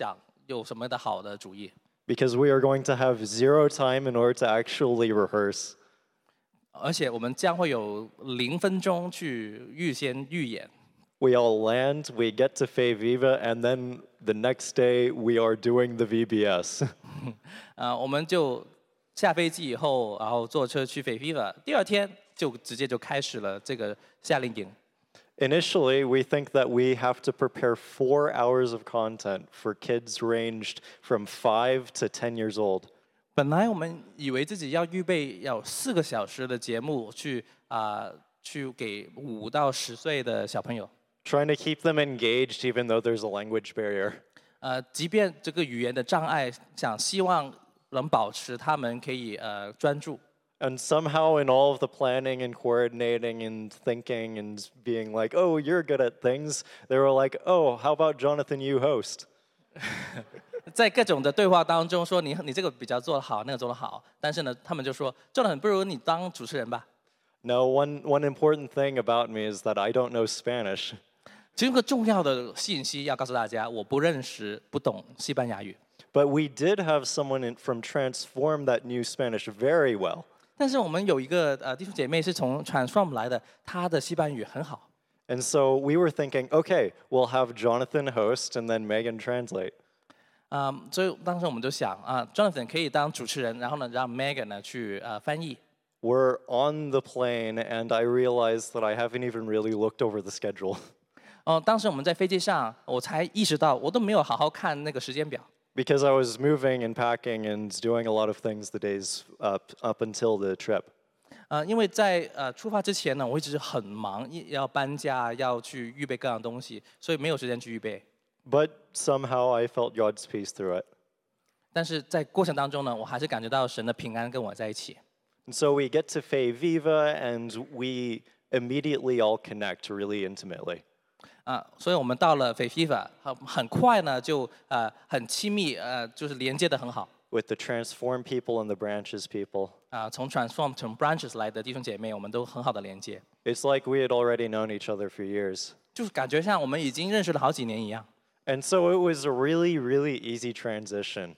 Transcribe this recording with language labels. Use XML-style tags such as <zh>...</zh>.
<zh>其中两个星期六我们只是在头脑风暴，就是想有什么的好的主意。</zh> <en>Because we are going to have 0 time in order to actually rehearse.</en> <zh>而且我们将会有0分钟去预先预演。</zh> <en>We all land, we get to Fayviva, and then the next day we are doing the VBS.</en> <zh>我们就下飞机以后，然后坐车去Fayviva，第二天就直接就开始了这个夏令营。</zh> <en>Initially, we think that we have to prepare 4 hours of content for kids ranged from 5 to 10 years old.</en> <zh>本来我们以为自己要预备要4个小时的节目去给5到10岁的小朋友。</zh> <en>Trying to keep them engaged even though there's a language barrier.</en> <zh>即便这个语言的障碍，想希望能保持他们可以专注。</zh> <en>And somehow in all of the planning and coordinating and thinking and being like, oh, you're good at things, they were like, oh, how about Jonathan, you host?</en> <zh>在各种的对话当中说你这个比较做得好，那个做得好。但是呢，他们就说，Jonathan，不如你当主持人吧。</zh> <en>Now, one important thing about me is that I don't know Spanish.</en> <zh>其中一个重要的信息要告诉大家，我不认识，不懂西班牙语。</zh> <en>But we did have someone from Transform that knew Spanish very well.</en> <zh>但是我们有一个弟兄姐妹是从 Transform 来的，她的西班牙语很好。</zh> <en>And so we were thinking, okay, we'll have Jonathan host and then Megan translate.</en> <zh>所以当时我们就想，Jonathan可以当主持人，然后呢，让Megan呢去翻译。</zh> <en>We're on the plane, and I realized that I haven't even really looked over the schedule.</en> <zh>当时我们在飞机上，我才意识到我都没有好好看那个时间表。</zh> <en>Because I was moving and packing and doing a lot of things the days up until the trip.</en> <zh>因为在出发之前呢，我一直很忙，要搬家，要去预备各样东西，所以没有时间去预备。</zh> <en>But somehow I felt God's peace through it.</en> <zh>但是在过程当中呢，我还是感觉到神的平安跟我在一起。</zh> <en>And so we get to Fei Viva, and we immediately all connect really intimately.</en> <zh>所以我们到了Fei Viva，很快呢就很亲密，就是连接的很好。</zh> <en>With the Transform people and the Branches people.</en> <zh>从 Transform 从 Branches 来的弟兄姐妹，我们都很好的连接。</zh> <en>It's like we had already known each other for years.</en> <zh>就感觉像我们已经认识了好几年一样。And</zh> <en>so it was a really, really easy transition.</en>